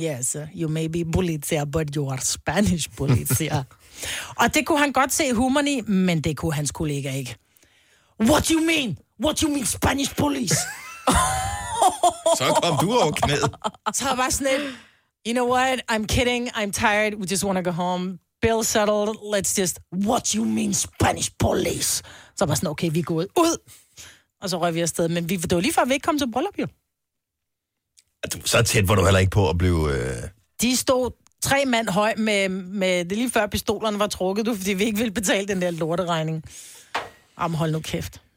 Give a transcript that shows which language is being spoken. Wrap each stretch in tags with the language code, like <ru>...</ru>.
<en>Yes, you may be polizia, but you are Spanish polizia.</en> <da>Og det kunne han godt se humoren i, men det kunne hans kollega ikke.</da> <en>What do you mean? What do you mean, Spanish police?</en> <da>Så kom du over knæet. Så var bare sådan,</da> <en>you know what, I'm kidding, I'm tired, we just want to go home. Bill settled, let's just, what do you mean, Spanish police?</en> <da>Så var sådan, okay, vi er gået ud. Og så røg vi afsted, men vi var lige før, vi ikke kom til bryllup, jo. Så tæt var du heller ikke på at blive... De stod tre mand høj med det lige før pistolerne var trukket, fordi vi ikke ville betale den der lorteregning. Jamen, hold nu kæft.</da>